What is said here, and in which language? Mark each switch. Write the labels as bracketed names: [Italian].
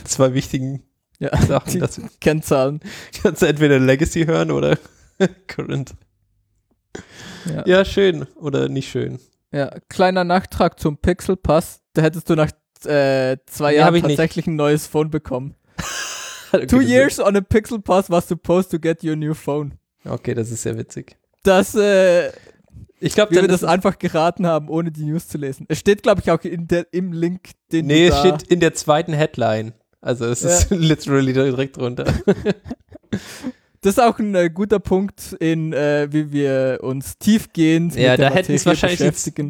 [German] Die zwei wichtigen Sachen. Die dazu. Kennzahlen. Kannst du entweder Legacy hören oder Current. Ja, schön oder nicht schön. Ja, kleiner Nachtrag zum Pixel Pass. Da hättest du nach 2 Jahren tatsächlich ein neues Phone bekommen. [English] Okay, 2 years on a Pixel Pass was supposed to get your new phone. [German] Okay, das ist sehr witzig. Das, ich glaube, wir das einfach geraten haben, ohne die News zu lesen. Es steht, glaube ich, auch im Link, den du da... Nee, es steht in der zweiten Headline. Also es ist literally direkt drunter. Das ist auch ein guter Punkt, wie wir uns tiefgehend beschäftigen.